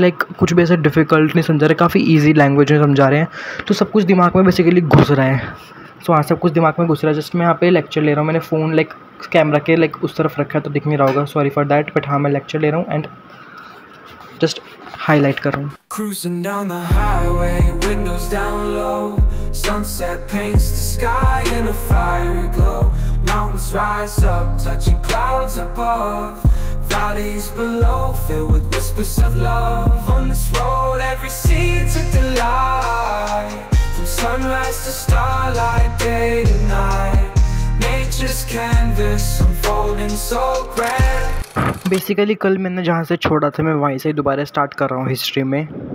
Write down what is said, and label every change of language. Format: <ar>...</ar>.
<hi>Like कुछ भी ऐसा डिफिकल्ट नहीं समझा रहे, काफ़ी इजी लैंग्वेज में समझा रहे हैं. तो सब कुछ दिमाग में बेसिकली घुस रहा है. सो हाँ सब कुछ दिमाग में घुस रहा है. जस्ट मैं यहाँ पे लेक्चर ले रहा हूँ. मैंने फ़ोन लाइक कैमरा के लाइक उस तरफ रखा तो दिख नहीं रहा होगा,</hi> <en>Sorry for that.</en> <hi>बट हाँ मैं लेक्चर ले रहा हूँ एंड जस्ट हाईलाइट कर रहा हूँ.</hi> <en>Cruising down the highway, windows down low, sunset paints the sky in a fiery glow, mountains rise up, touching clouds above, valleys below, filled with whispers of love, on this road every seed's a delight, from sunrise to starlight, day to night, nature's canvas unfolding so grand.</en> <hi>Basically कल मैंने जहाँ से छोड़ा था मैं वहीं से ही दोबारा स्टार्ट कर रहा हूँ हिस्ट्री में.</hi>